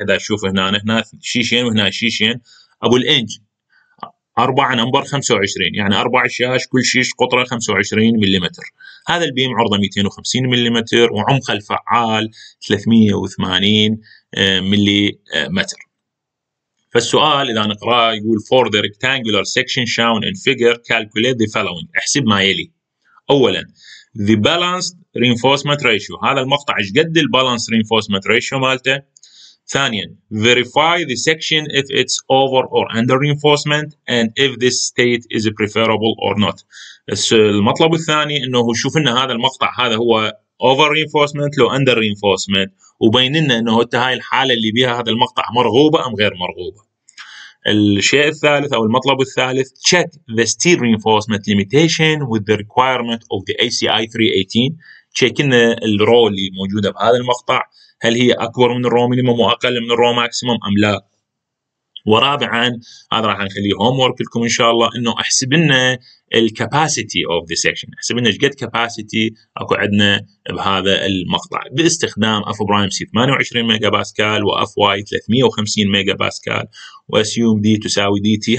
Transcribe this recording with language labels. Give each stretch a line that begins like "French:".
Arabic: اذا تشوف هنا شيشين وهنا شيشين ابو الانج 4 نمبر 25 يعني 4 شاش كل شيش قطره 25 ملم. هذا البيم عرضه 250 ملم وعمق الفعال 380 ملم. فالسؤال اذا نقراه يقول
English: for the rectangular section shown in figure calculate the following.
Arabic: احسب ما يلي. اولا
English: the balanced reinforcement ratio
Arabic: هذا المقطع ايش قد البالانس reinforcement ratio مالته.
English: ثانيا verify the section if it's over or under reinforcement and if this state is preferable or not.
Arabic: المطلب الثاني انه شوف ان هذا المقطع هذا هو over reinforcement لو under reinforcement وبين لنا انه هاي الحاله اللي بيها هذا المقطع مرغوبه ام غير مرغوبه. الشيء الثالث او المطلب الثالث
English: check the steel reinforcement limitation with the requirement of the ACI 318.
Arabic: check ان الرو اللي موجوده بهذا المقطع هل هي أكبر من الرو مينيموم وأقل من الرو ماكسيموم أم لا؟ ورابعاً هذا راح نخليه هوم وورك لكم إن شاء الله إنه أحسب لنا الكاباسيتي أوف ذا سكشن، أحسب لنا إيش قد كاباسيتي أكو عندنا بهذا المقطع باستخدام أف برايم سي 28 ميجا باسكال وأف واي 350 ميجا باسكال وأسيوم دي تساوي دي تي.